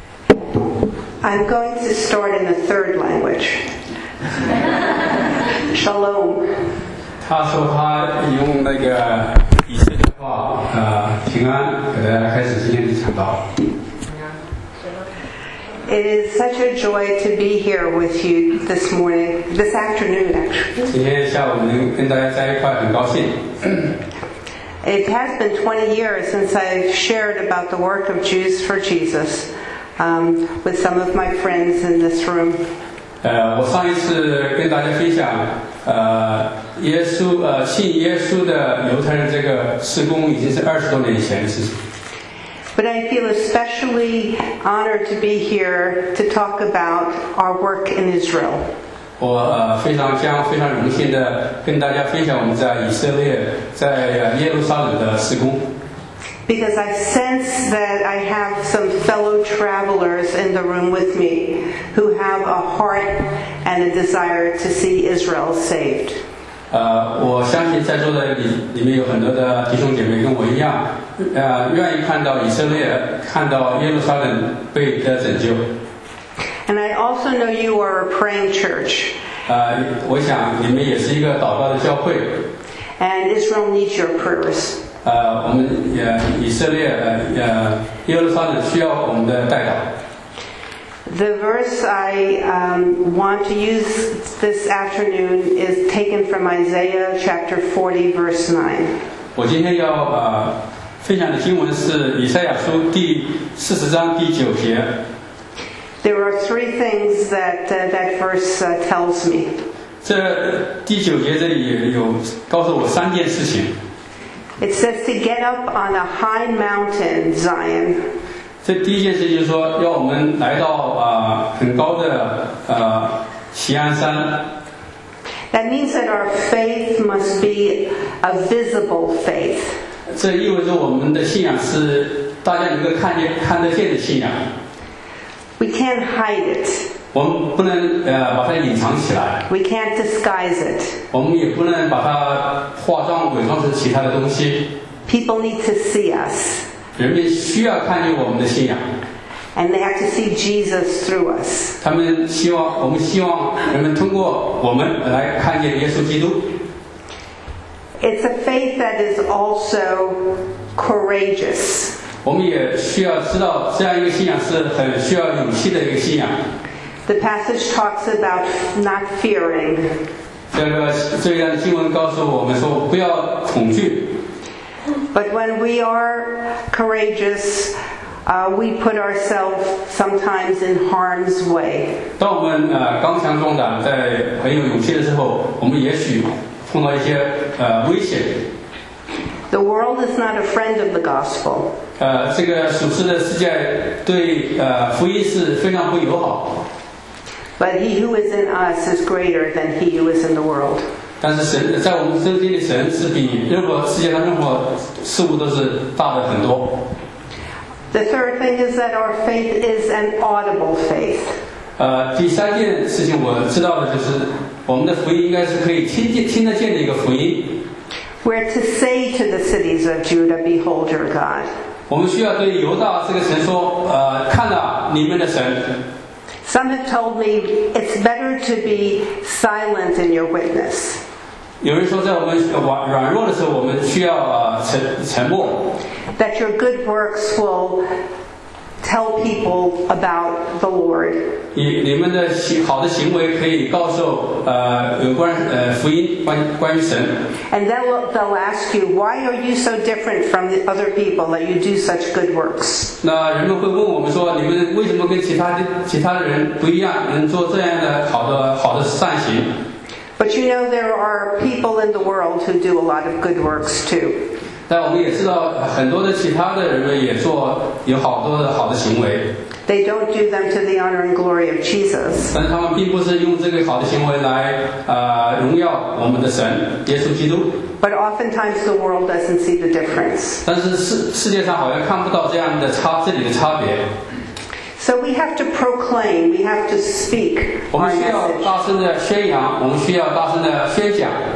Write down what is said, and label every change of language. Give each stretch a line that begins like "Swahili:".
English: I'm going to start in a third language.
Hebrew: Shalom.
Chinese: 他说他用那个以色列话，平安，给大家开始今天的讲道。
English: It is such a joy to be here with you this morning, this afternoon, actually.
Chinese: 今天下午能跟大家在一块，很高兴。
English: It has been 20 years since I've shared about the work of Jews for Jesus. With some of my friends in this room.
Chinese: 我上一次跟大家分享，耶稣，信耶稣的犹太人这个事工已经是二十多年以前的事情。
English: But I feel especially honored to be here to talk about our work in Israel.
Chinese: 我非常荣幸的跟大家分享我们在以色列，在耶路撒冷的事工。
English: Because I sense that I have some fellow travelers in the room with me who have a heart and a desire to see Israel saved.
Chinese: 我相信在座的里面有很多的弟兄姐妹跟我一样，愿意看到以色列，看到耶路撒冷被得拯救。
English: And I also know you are a praying church.
Chinese: 我想你们也是一个祷告的教会。
English: And Israel needs your prayers.
Chinese: 我们以色列耶路撒冷需要我们的代祷。
English: The verse I want to use this afternoon is taken from Isaiah chapter 40, verse 9.
Chinese: 我今天要分享的经文是以赛亚书第四十章第九节。
English: There are three things that verse tells me.
Chinese: 这第九节这里有告诉我三件事情。
English: It says to get up on a high mountain, Zion.
Chinese: 这第一件事就是说，要我们来到很高的锡安山。
English: That means that our faith must be a visible faith.
Chinese: 这意味着我们的信仰是大家能够看得见的信仰。
English: We can't hide it.
Chinese: 我们不能把它隐藏起来。
English: We can't disguise it.
Chinese: 我们也不能把它化妆伪装成其他的东西。
English: People need to see us.
Chinese: 人们需要看见我们的信仰。
English: And they have to see Jesus through us.
Chinese: 他们希望，我们希望人们通过我们来看见耶稣基督。
English: It's a faith that is also courageous.
Chinese: 我们也需要知道，这样一个信仰是很需要勇气的一个信仰。
English: The passage talks about not fearing.
Chinese: 这一段经文告诉我们说不要恐惧。
English: But when we are courageous, we put ourselves sometimes in harm's way.
Chinese: 当我们刚强壮胆，在很有勇气的时候，我们也许碰到一些危险。
English: The world is not a friend of the gospel.
Chinese: 这个属世的世界对福音是非常不友好。
English: But he who is in us is greater than he who is in the world.
Chinese: 但是神在我们中间的神是比任何世界上任何事物都是大的很多。
English: The third thing is that our faith is an audible faith.
Chinese: 第三件事情我知道的就是我们的福音应该是可以听得见的一个福音。
English: We're to say to the cities of Judah, "Behold your God."
Chinese: 我们需要对犹大这个城说，看了你们的神。
English: Some have told me it's better to be silent in your witness.
Chinese: 有人说在我们软弱的时候我们需要沉默。
English: That your good works will tell people about the Lord.
Chinese: 你们的好的行为可以告诉有关福音关于神。
English: And they'll ask you, why are you so different from the other people that you do such good works?
Chinese: 那人们会问我们说你们为什么跟其他的人不一样能做这样的好的善行。
English: But you know there are people in the world who do a lot of good works too.
Chinese: 但我们也知道很多的其他的人们也做有好多的好的行为。
English: They don't do them to the honor and glory of Jesus.
Chinese: 但他们并不是用这个好的行为来荣耀我们的神耶稣基督。
English: But oftentimes the world doesn't see the difference.
Chinese: 但是世界上好像看不到这里的差别。
English: So we have to proclaim, we have to speak our message.
Chinese: 我们需要大声的宣扬，我们需要大声的宣讲。